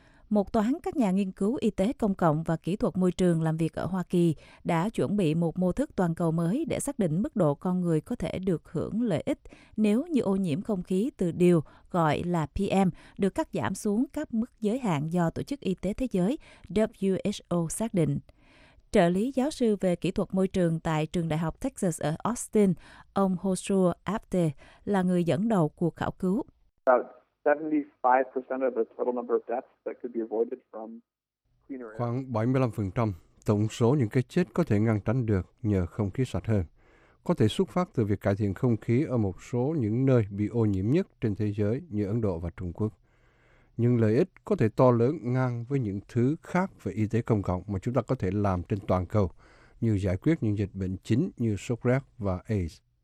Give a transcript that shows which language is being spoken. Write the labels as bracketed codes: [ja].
[vi] Một toán các nhà nghiên cứu y tế công cộng và kỹ thuật môi trường làm việc ở Hoa Kỳ đã chuẩn bị một mô thức toàn cầu mới để xác định mức độ con người có thể được hưởng lợi ích nếu như ô nhiễm không khí từ điều gọi là PM được cắt giảm xuống các mức giới hạn do Tổ chức Y tế Thế giới WHO xác định. Trợ lý giáo sư về kỹ thuật môi trường tại Trường Đại học Texas ở Austin, ông Hoshua Abte, là người dẫn đầu cuộc khảo cứu. [en] 75% of the total number of deaths that could be avoided from cleaner air. [vi] Khoảng 75% tổng số những cái chết có thể ngăn tránh được nhờ không khí sạch hơn, có thể xuất phát từ việc cải thiện không khí ở một số những nơi bị ô nhiễm nhất trên thế giới như Ấn Độ và Trung Quốc. Nhưng lợi ích có thể to lớn ngang với những thứ khác về y tế công cộng mà chúng ta có thể làm trên toàn cầu, như giải quyết những dịch bệnh chính như sốt rét và AIDS.